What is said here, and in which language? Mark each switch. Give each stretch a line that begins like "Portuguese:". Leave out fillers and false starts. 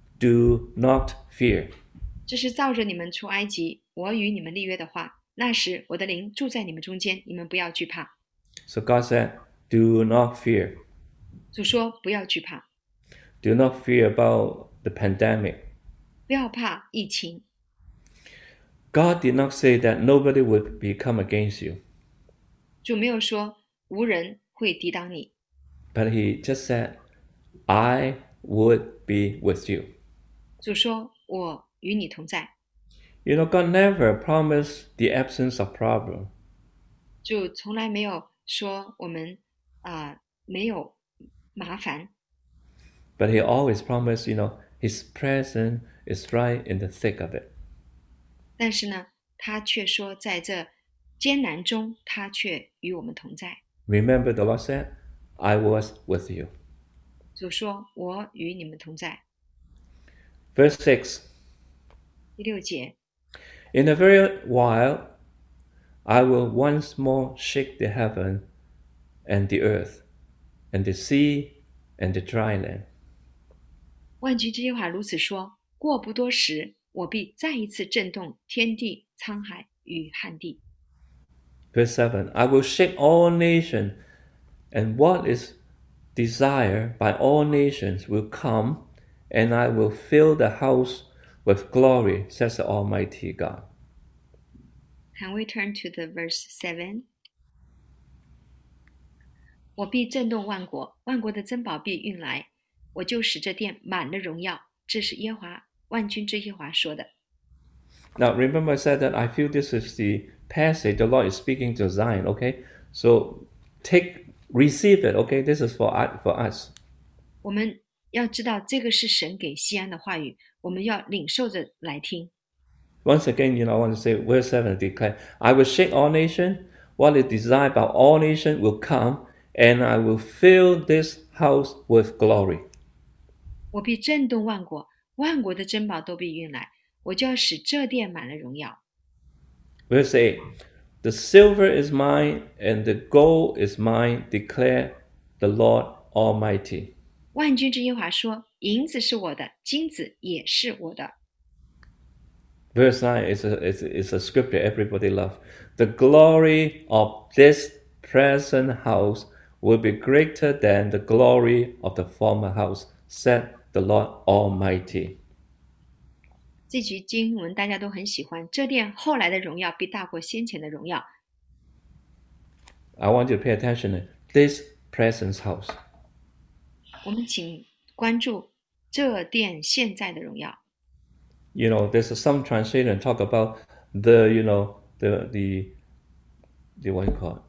English: Do not fear.
Chinese: 这是照着你们出埃及，我与你们立约的话。那时我的灵住在你们中间，你们不要惧怕。
English: So God said, do not fear.
Chinese: 主说不要惧怕。
English: Do not fear about the pandemic.
Chinese: 不要怕疫情。
English: God did not say that nobody would be come against you.
Chinese: 主没有说无人会抵挡你。
English: But he just said, I would be with you.
Chinese: 就说我与你同在。
English: You know, God never promised the absence of problem.
Chinese: 就从来没有说我们没有麻烦。
English: But he always promised, you know, his presence is right in the thick of it.
Chinese: 但是呢，他却说在这艰难中，他却与我们同在。
English: Remember the Lord said, I was with you.
Chinese: 主说：“我与你们同在。
English: Verse 6.
Chinese: ”第六节。
English: In a very while, I will once more shake the heaven and the earth and the sea and the dry land.
Chinese: 万军之耶和华如此说：“过不多时，我必再一次震动天地、沧海与旱地。
English: Verse 7, I will shake all nations, and what is desired by all nations will come, and I will fill the house with glory, says the Almighty God. ”Can we turn to the verse 7?
Chinese: 我必震动万国，万国的珍宝必运来。我就使这殿满了荣耀，这是耶华万军之耶华说的。
English: Now, remember I said that I feel this is the passage the Lord is speaking to Zion, okay? So receive it, okay? This is for us.
Chinese: 我们要知道这个是神给西安的话语，我们要领受着来听。
English: Once again, you know, I want to say, verse 7 declare, I will shake all nations, what is desired by all nations will come, and I will fill this house with glory.
Chinese: 我必震动万国，万国的珍宝都必运来，我就要使这殿满了荣耀。
English: We'll say, the silver is mine and the gold is mine, declare the Lord Almighty.
Chinese: 万军之耶和华说：“银子是我的，金子也是我的。
English: Verse 9 is a scripture everybody loves. The glory of this present house will be greater than the glory of the former house, said the Lord Almighty.
Chinese: ”这句经文大家都很喜欢。这殿后来的荣耀必大过先前的荣耀。
English: I want you to pay attention to this presence house.
Chinese: 我们请关注。这殿现在的荣耀，
English: You know, there's some translation talk about the, you know, the what you call it?